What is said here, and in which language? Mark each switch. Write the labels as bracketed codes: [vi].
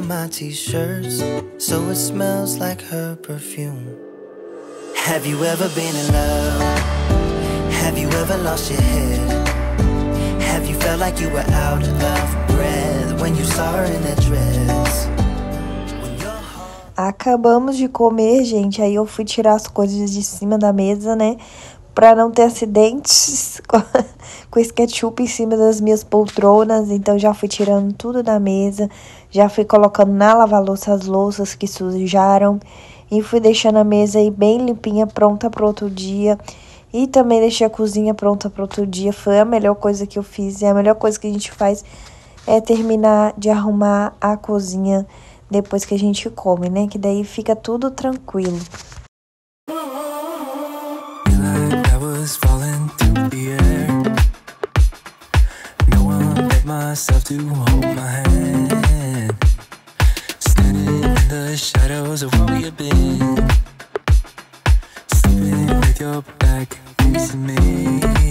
[en] T-shirts, so it smells like her perfume. Have you ever been in love? Have you ever lost your head? Have you felt like you were out of breath when you saw her in that dress? [pt] Acabamos de comer, gente. Aí eu fui tirar as coisas de cima da mesa, né? Pra não ter acidentes com esse ketchup em cima das minhas poltronas. Então já fui tirando tudo da mesa. Já fui colocando na lava-louça as louças que sujaram. E fui deixando a mesa aí bem limpinha, pronta pro outro dia. E também deixei a cozinha pronta pro outro dia. Foi a melhor coisa que eu fiz. E a melhor coisa que a gente faz é terminar de arrumar a cozinha depois que a gente come, né? Que daí fica tudo tranquilo. [en] Was falling through the air. No one but myself to hold my hand. Standing in the shadows of where we had been. Sleeping with your back facing me.